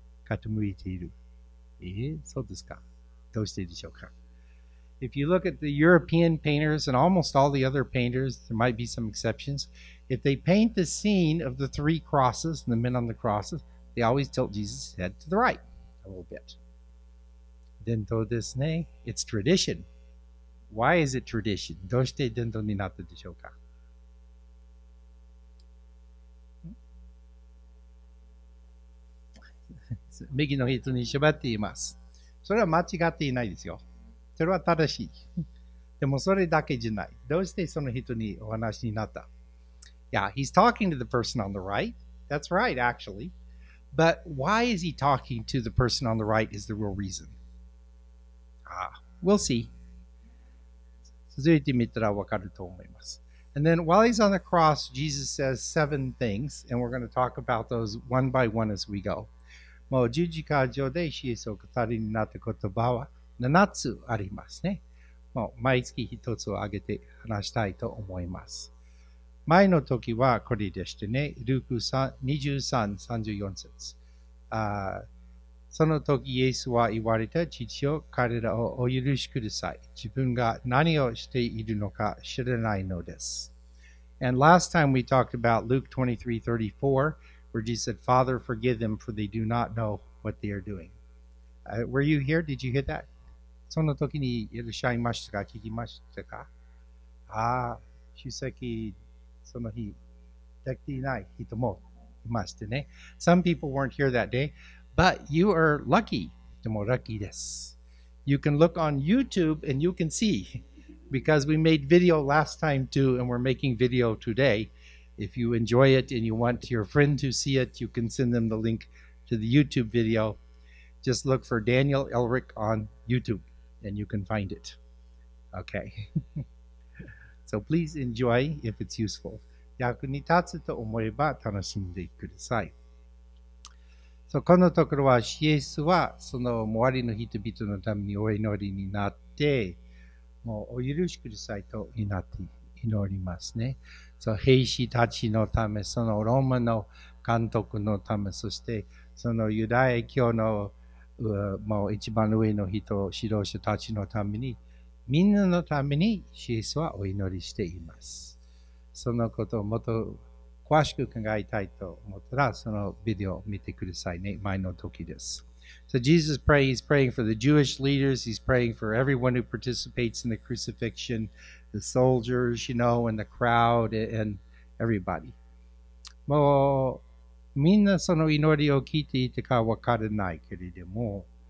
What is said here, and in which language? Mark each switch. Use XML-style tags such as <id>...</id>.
<ja>傾いている。そうですか。どうしてでしょうか。</ja> <en>If you look at the European painters and almost all the other painters, there might be some exceptions. If they paint the scene of the three crosses and the men on the crosses, they always tilt Jesus' head to the right a little bit.</en> <ja>伝統ですね。</ja> <en>It's tradition. Why is it tradition?</en> <ja>どうして伝統になったでしょうか? ん? 右の人に縛っています。それは間違っていないですよ。それは正しい。でもそれだけじゃない。どうしてその人にお話になった?</ja> <en>Yeah, he's talking to the person on the right. That's right, actually. But why is he talking to the person on the right is the real reason. We'll see.</en> <ja>続いて見たらわかると思います。</ja> <en>And then while he's on the cross, Jesus says seven things, and we're going to talk about those one by one as we go.</en> <ja>もう十字架上でイエスを語りになった言葉は七つありますね。もう毎月一つを挙げて話したいと思います。前の時はこれでしたね。ルーク23、34節。その時イエスは言われた、父よ、彼らをお許しください。自分が何をしているのか知らないのです。</ja> <en>And last time we talked about Luke 23:34, where Jesus said, Father, forgive them, for they do not know what they are doing. Were you here? Did you hear that?</en> <ja>その時にいらっしゃいましたか?聞きましたか? 出席その日、できていない人もいましたね。</ja> <en>Some people weren't here that day. But you are lucky.</en> <ja>でも lucky です。</ja> <en>You can look on YouTube and you can see. Because we made video last time too and we're making video today. If you enjoy it and you want your friend to see it, you can send them the link to the YouTube video. Just look for Daniel Elric on YouTube and you can find it. Okay. So please enjoy if it's useful.</en> <ja>役に立つと思えば楽しんでください。So, このところは、イエスは、その周りの人々のためにお祈りになって、もうお許しくださいと祈って祈りますね。 So, 兵士たちのため、そのローマの監督のため、そして、そのユダヤ教の、もう一番上の人、指導者たちのために、みんなのために、イエスはお祈りしています。そのことをもっと、詳しく考えたいと思ったら、そのビデオを見てくださいね。前の時です。</ja> <en>So Jesus praying, he's praying for the Jewish leaders, he's praying for everyone who participates in the crucifixion, the soldiers, you know, and the crowd, and everybody.</en> <ja>もう、みんなその祈りを聞いていたかわからないけれども、</ja>